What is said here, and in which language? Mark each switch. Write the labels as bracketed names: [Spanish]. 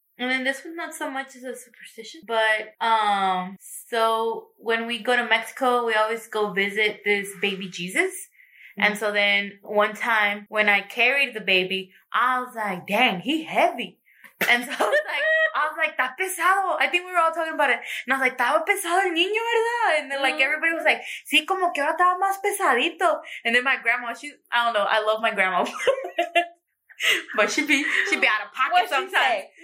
[English] And then this one's not so much as a superstition. But so when we go to Mexico, we always go visit this baby Jesus. Mm-hmm. And so then one time when I carried the baby, I was like, dang, he heavy. And so I was like, [Spanish] "Está pesado." [English] I think we were all talking about it. And I was like, [Spanish] "Estaba pesado el niño, ¿verdad?" [English] And then like everybody was like, [Spanish] "Sí, como que ahora estaba más pesadito." [English] And then my grandma, I don't know, I love my grandma. But she'd be out of pocket what'd sometimes.